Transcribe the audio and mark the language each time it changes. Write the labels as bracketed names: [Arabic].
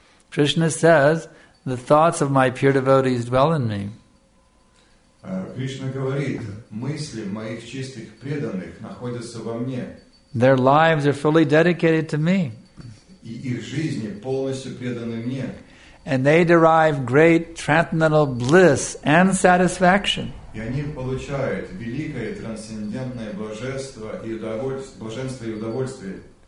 [English] Krishna says, the thoughts of my pure devotees dwell in me. [Russian] Krishna говорит, мысли моих чистых преданных находятся во мне. [English] Their lives are fully dedicated to me. [Russian] И их жизни полностью преданы мне. [English] and they derive great transcendental bliss and satisfaction. [Russian] И они получают великое трансцендентное божество и удовольствие, блаженство и удовольствие.